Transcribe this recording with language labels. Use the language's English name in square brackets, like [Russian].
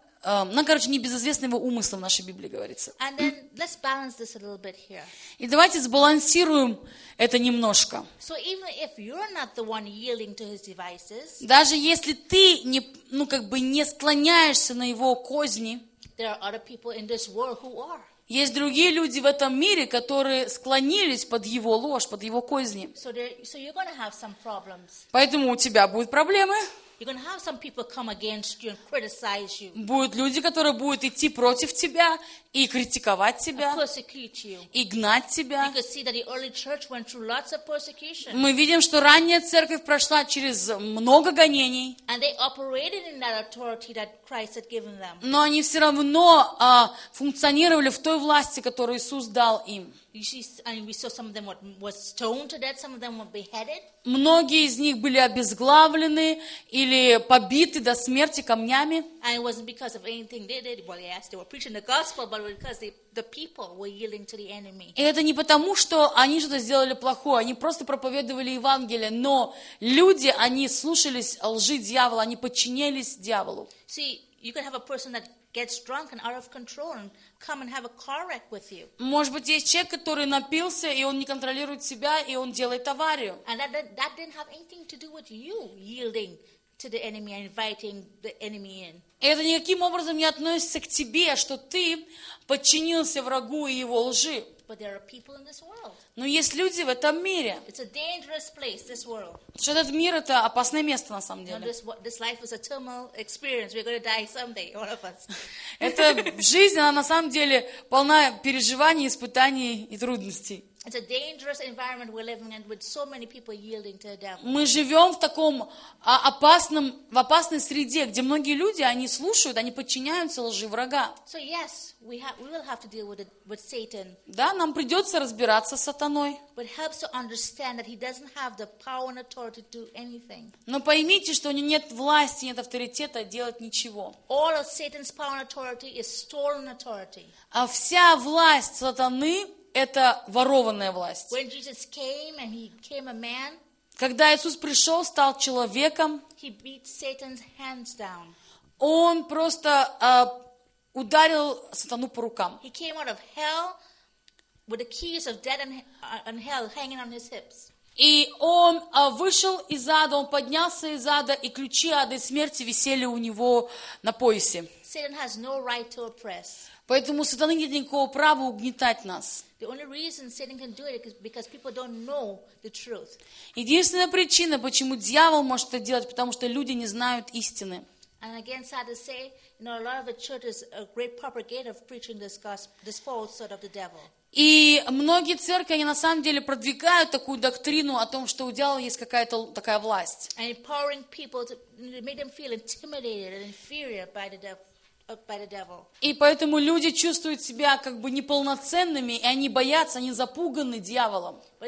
[Russian] Ну, короче, не безызвестный его умысл в нашей Библии говорится. [English] And then, let's balance this a little bit here. [Russian] И давайте сбалансируем это немножко. [English] So even if you're not the one yielding to his devices, [Russian] даже если ты не, ну, как бы не склоняешься на его козни, [English] there are other people in this world who are. [Russian] Есть другие люди в этом мире, которые склонились под его ложь, под его козни. [English] So you're gonna have some problems. [Russian] Поэтому у тебя будут проблемы. [English] You're going to have some people come against you and criticize you. [Russian] Будут люди, которые будут идти против тебя и критиковать тебя. [English] And persecute you. [Russian] И гнать тебя. [English] You can see that the early church went through lots of persecution. [Russian] Мы видим, что ранняя церковь прошла через много гонений. [English] And they operated in that authority that Christ had given them. [Russian] Но они все равно функционировали в той власти, которую Иисус дал им. [English] And we saw some of them were stoned to death, some of them were beheaded. [Russian] Многие из них были обезглавлены или побиты до смерти камнями. [English] And it wasn't because of anything they did. Well, yes, they were preaching the gospel, but because the people were yielding to the enemy. [Russian] И это не потому, что они что-то сделали плохое, они просто проповедовали Евангелие, но люди, они слушались лжи дьявола, они подчинились дьяволу. [English] See, you can have a person that gets drunk and out of control and come and have a car wreck with you. [Russian] Может быть, есть человек, который напился, и он не контролирует себя, и он делает аварию. [English] And that didn't have anything to do with you yielding to the enemy and inviting the enemy in. [Russian] Это никаким образом не относится к тебе, что ты подчинился врагу и его лжи. [English] But there are people in this world. [Russian] Но есть люди в этом мире. [English] It's a dangerous place, this world. [Russian] Что этот мир это опасное место на самом деле. [English] This life is a terminal experience. We're going to die someday, all of us. [Russian] Это жизнь, она на самом деле полна переживаний, испытаний и трудностей. [English] It's a dangerous environment we're living in with so many people yielding to the devil. [Russian] Мы живем в таком опасной среде, где многие люди, они слушают, они подчиняются лжи врага. [English] So yes, we will have to deal with Satan. [Russian] Да, нам придется разбираться с сатаной. [English] But it helps to understand that he doesn't have the power and authority to do anything. [Russian] Но поймите, что у него нет власти, нет авторитета делать ничего. [English] All of Satan's power and authority is stolen authority. [Russian] А вся власть сатаны это ворованная власть. [English] When Jesus came and he became a man, [Russian] когда Иисус пришел, стал человеком, [English] he beat Satan's hands down. [Russian] Он просто ударил сатану по рукам. [English] He came out of hell with the keys of death and hell hanging on his hips. [Russian] И он вышел из ада, он поднялся из ада, и ключи ада и смерти висели у него на поясе. [English] Satan has no right to oppress. [Russian] Поэтому у сатаны нет никакого права угнетать нас. [English] The only reason Satan can do it is because people don't know the truth. [Russian] Единственная причина, почему дьявол может это делать, потому что люди не знают истины. [English] And again, sad to say, you know, a lot of the church is a great propagator of preaching this gospel, this falsehood of the devil. [Russian] И многие церкви, они на самом деле продвигают такую доктрину о том, что у дьявола есть какая-то такая власть. [English] And empowering people to make them feel intimidated and inferior by the devil. [Russian] И поэтому люди чувствуют себя как бы неполноценными, и они боятся, они запуганы дьяволом.